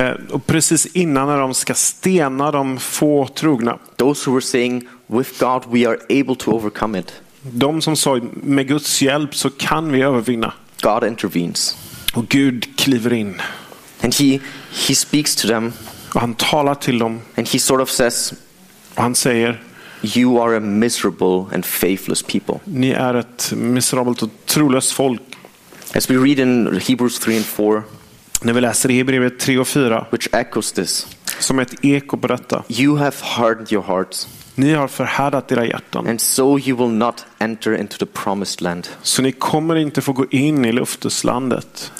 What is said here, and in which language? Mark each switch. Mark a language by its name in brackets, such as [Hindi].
[Swedish] Och precis innan när de ska stena de få trogna. [English] Those who were saying, with God we are able to overcome it. [Swedish] De som sa, med Guds hjälp så kan vi övervinna. [English] God intervenes. [Swedish] Och Gud kliver in. [English] And he speaks to them. [Swedish] Och han talar till dem. [English] And he sort of says, [Swedish] och han säger, [English] you are a miserable and faithless people. [Swedish] Ni är ett miserabelt och trolöst folk. [English] As we read in Hebrews 3 and 4. [Swedish] När vi läser i Hebreerbrevet 3 och 4. [English] Which echoes this. [Swedish] Som ett eko på detta. [English] You have hardened your hearts. [Swedish] Ni har förhärdat era hjärtan. [English] And so you will not enter into the promised land. [Swedish] Så ni kommer inte få gå in i löfteslandet.